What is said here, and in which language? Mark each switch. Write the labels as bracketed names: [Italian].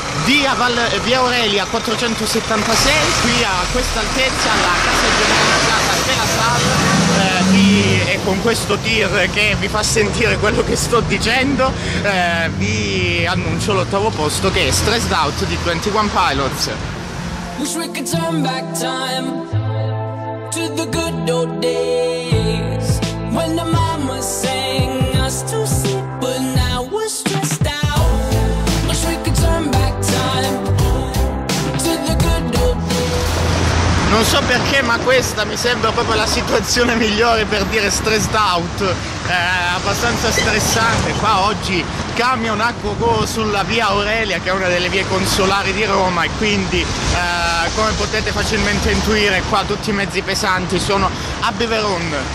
[Italian] Via Aurelia 476, qui a questa altezza la casa generalizzata della salle. E con questo tir che vi fa sentire quello che sto dicendo, vi annuncio l'ottavo posto, che è Stressed Out di 21 Pilots. [English] Wish we could turn back time to the good old days when the mama sang us to sleep, but now we're stressed out. Wish we could turn back time to the good old days. [Italian] Non so perché, ma questa mi sembra proprio la situazione migliore per dire [English] stressed out. [Italian] È abbastanza stressante qua oggi, camion a gogo sulla via Aurelia, che è una delle vie consolari di Roma, e quindi come potete facilmente intuire, qua tutti i mezzi pesanti sono a Beveron.